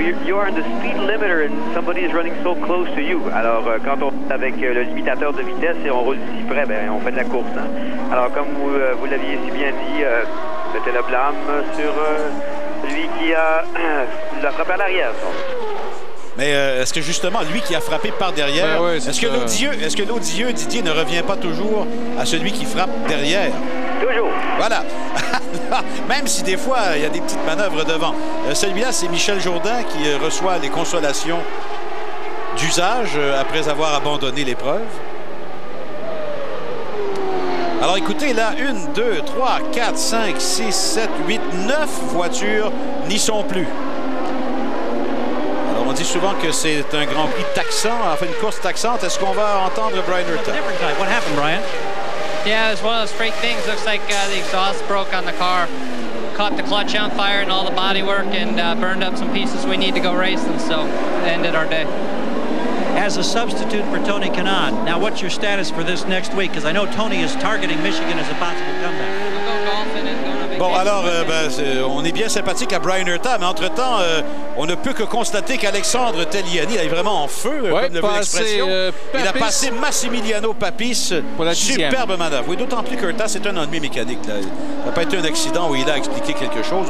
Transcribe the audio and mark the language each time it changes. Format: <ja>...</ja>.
<en>You are on the speed limiter and somebody is running so close to you.</en> <fr>Alors, quand on est avec le limitateur de vitesse et on roule si près, ben, on fait de la course. Hein. Alors, comme vous l'aviez si bien dit, mettez le blâme sur... Lui qui a la frappé à l'arrière. Mais est-ce que justement, lui qui a frappé par derrière, est-ce que l'odieux Didier ne revient pas toujours à celui qui frappe derrière? Toujours. Voilà. Même si des fois, il y a des petites manœuvres devant. Celui-là, c'est Michel Jourdain qui reçoit les consolations d'usage après avoir abandonné l'épreuve. Alors écoutez, là, 1, 2, 3, 4, 5, 6, 7, 8, 9 voitures n'y sont plus. Alors on dit souvent que c'est un Grand Prix taxant, enfin une course taxante. Est-ce qu'on va entendre Brian Rutan?</fr> <en>What happened, Brian? Yeah, it's one of those freak things. Looks like the exhaust broke on the car. Caught the clutch on fire and all the bodywork and burned up some pieces we need to go racing. So, ended our day. As a substitute for Tony Kanaan, now what's your status for this next week? Because I know Tony is targeting Michigan as a possible comeback.</en> <fr>Bon, alors, on est bien sympathique à Brian Herta, mais entre-temps, on ne peut que constater qu'Alexandre Taliani est vraiment en feu, ouais, comme le veut l'expression. Il a passé Massimiliano Papis. Pour la superbe manœuvre. Oui, d'autant plus qu'Herta, c'est un ennemi mécanique. Là. Ça n'a pas été un accident où il a expliqué quelque chose.</fr>